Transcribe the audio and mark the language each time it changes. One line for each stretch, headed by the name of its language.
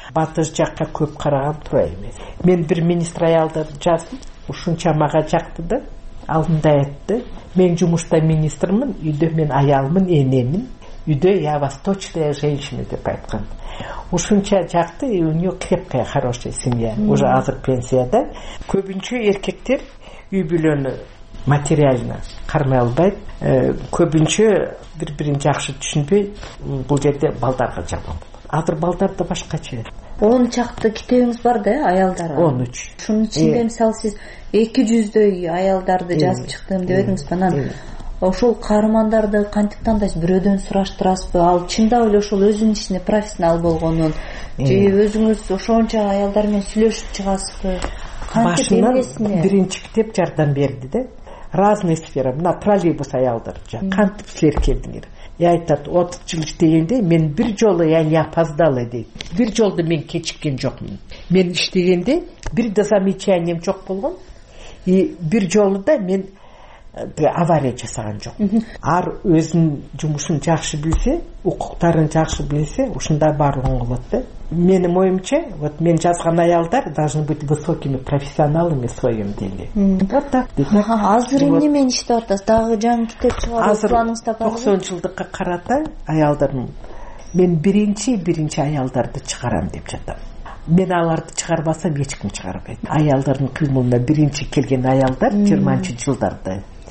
Kyrgyz: Батыр жакка көп караган туура эмес. Мен бир министр аялдарды жаздым, ушунча мага жакты да, алдында айтты. Мен жумушта министрмин, үйдө мен аялмын, энемин. Үйдө
Russian: я восточная женщина
Kyrgyz: деп айткан. Ушунча жакты,
Russian: и у неё крепкая хорошая семья.
Kyrgyz: Уже азыр пенсияда. Көбүнчө эркектер үй бүлөнү материально кармай албайт. Көбүнчө бир-бирин жакшы түшүнбөй, бул жерде балдарга жардам. Азыр балдар да башкача. 10 чакты китебиңиз бар да, аялдар. 13. Шунун ичинде мисалы сиз 200-дөй аялдарды жазып чыктым деп өтүңүз, анан ошол каармандарды кантип тандайсыз? Бирөөдөн сураштырасызбы? Ал чындап эле ошол өзүнүн ичинде профессионал болгонун же өзүңүз ошончо аялдар менен сүйлөшүп чыгасызбы? Башынан биринчи китеп жардам берди да.
Russian: Разные сфера.
Kyrgyz: Мына троллейбус аялдар кантип силер келдиңер? Я айтат, 30 жыл иштегенде мен бир жолу,
Russian: я не опоздала
Kyrgyz: дейт. Бир жолду мен кечиккен жокмун. Мен иштегенде бир да замечанием жок болгон. И бир жолу да мен бир авария жасаган жок. Ар өзүн жумушун жакшы билсе, укуктарын жакшы билсе, ушундай барлыгын болот да. Менин оюмча,
Russian: вот
Kyrgyz: мен жазган аялдар
Russian: должны быть высокими профессионалами в своём деле. Вот так.
Kyrgyz: Азыр эмне менен иштеп атасыз? Дагы жаңы китеп чыгарып, планыңыз тапасыз. 90 жылдыкка карата аялдардын мен биринчи аялдарды чыгарам деп жатам. Мен аларды чыгарбасам эч ким чыгарбайт. Аялдардын кыймылына биринчи келген аялдар 20-чы жылдарда.